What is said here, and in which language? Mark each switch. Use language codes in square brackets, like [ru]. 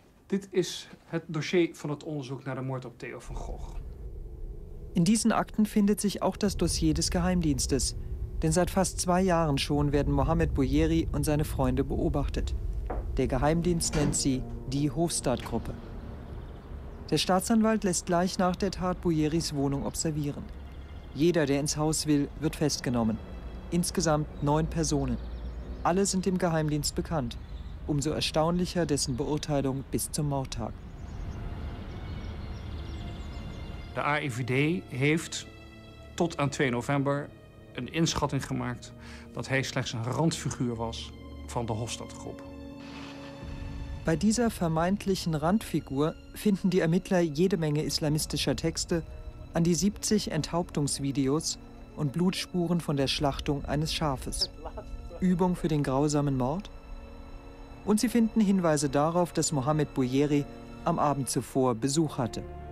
[nl] Dit is het dossier van het onderzoek naar de moord op Theo van Gogh. [de] In diesen Akten findet sich auch das Dossier des Geheimdienstes. Denn seit fast zwei Jahren schon werden Mohammed Bouyeri und seine Freunde beobachtet. Der Geheimdienst nennt sie die Hofstaat-Gruppe. Der Staatsanwalt lässt gleich nach der Tat Bouyeris Wohnung observieren. Jeder, der ins Haus will, wird festgenommen. Insgesamt 9 Personen. Alle sind dem Geheimdienst bekannt. Umso erstaunlicher dessen Beurteilung bis zum Mordtag. [nl] De AIVD heeft tot aan 2 november een inschatting gemaakt dat hij slechts een randfiguur was van de Hofstadgroep. [de] Bei dieser vermeintlichen Randfigur finden die Ermittler jede Menge islamistischer Texte, an die 70 Enthauptungsvideos und Blutspuren von der Schlachtung eines Schafes. Übung für den grausamen Mord? Und sie finden Hinweise darauf, dass Mohammed Bouyeri am Abend zuvor Besuch hatte.